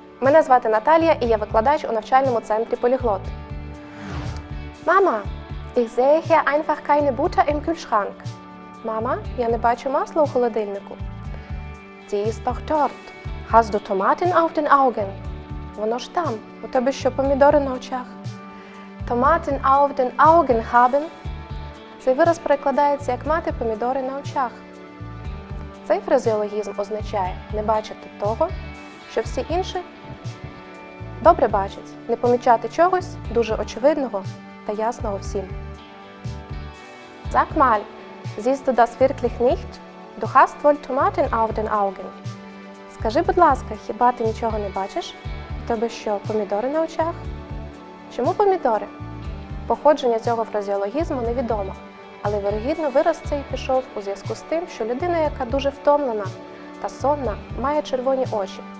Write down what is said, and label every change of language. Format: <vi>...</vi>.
<uk>Мене звати Наталія, і я викладач у навчальному центрі «Поліглот».</uk> <de>Мама, ich sehe hier einfach keine Butter im Kühlschrank.</de> <uk>Мама, я не бачу масла у холодильнику.</uk> <de>Die ist doch dort. Hast du Tomaten auf den Augen?</de> <uk>Воно ж там. У тебе що, помідори на очах?</uk> <de>Tomaten auf den Augen haben.</de> <uk>Цей вираз перекладається як «мати помідори на очах». Цей фразеологізм означає «не бачити того», що всі інші добре бачать, не помічати чогось дуже очевидного та ясного всім.</uk> <de>Sag mal, siehst du das wirklich nicht? Du hast wohl Tomaten auf den Augen.</de> <uk>Скажи, будь ласка, хіба ти нічого не бачиш? У тебе що, помідори на очах? Чому помідори? Походження цього фразеологізму невідомо, але, вірогідно, вираз цей пішов у зв'язку з тим, що людина, яка дуже втомлена та сонна, має червоні очі.</uk>